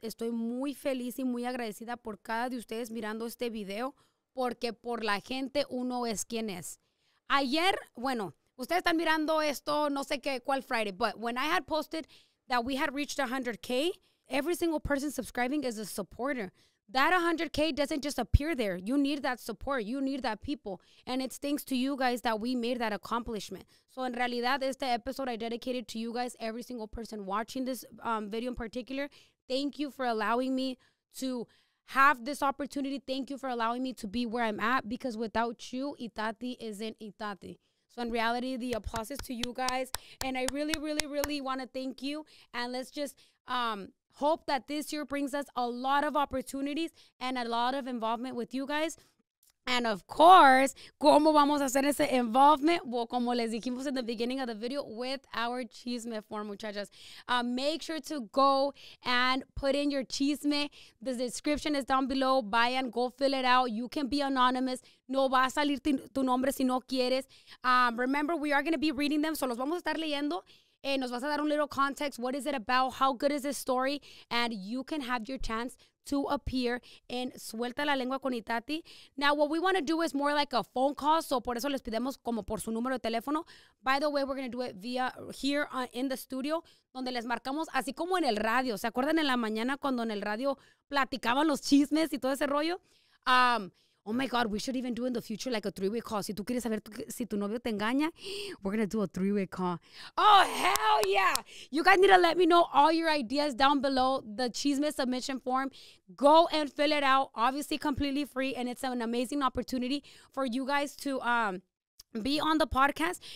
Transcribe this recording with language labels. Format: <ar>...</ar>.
<es>Estoy muy feliz y muy agradecida por cada de ustedes mirando este video, porque por la gente uno es quien es. Ayer, bueno, ustedes están mirando esto, no sé qué, cuál</es> <en>Friday, but when I had posted that we had reached 100K, every single person subscribing is a supporter. That 100K doesn't just appear there. You need that support. You need that people. And it's thanks to you guys that we made that accomplishment. So in</en> <es>realidad, este</es> <en>episode I dedicated to you guys, every single person watching this video in particular. Thank you for allowing me to have this opportunity. Thank you for allowing me to be where I'm at, because without you, Itati isn't Itati. So in reality, the applause is to you guys. And I really, really, really want to thank you. And let's just hope that this year brings us a lot of opportunities and a lot of involvement with you guys. And of course,</en> <es>¿cómo vamos a hacer ese involvement?</es> <en>Well,</en> <es>como les dijimos</es> <en>in the beginning of the video, with our chisme form, muchachas. Make sure to go and put in your chisme. The description is down below.</en> <es>Vayan,</es> <en>go fill it out. You can be anonymous.</en> <es>No va a salir tu nombre si no quieres.</es> <en>Remember, we are going to be reading them. So</en> <es>los vamos a estar leyendo. Nos vas a dar un</es> <en>little context. What is it about? How good is this story? And you can have your chance to appear in Suelta la Lengua con Itati. Now, what we want to do is more like a phone call.</en> <es>So, por eso les pedimos como por su número de teléfono.</es> <en>By the way, we're going to do it via here in the studio,</en> <es>donde les marcamos así como en el radio. ¿Se acuerdan en la mañana cuando en el radio platicaban los chismes y todo ese rollo?</es> <en>Oh my God, we should even do in the future like a 3-way call.</en> <es>Si tú quieres saber si tu novio te engaña,</es> <en>we're going to do a 3-way call. Oh, hell yeah. You guys need to let me know all your ideas down below the Chisme submission form. Go and fill it out. Obviously, completely free. And it's an amazing opportunity for you guys to be on the podcast.</en>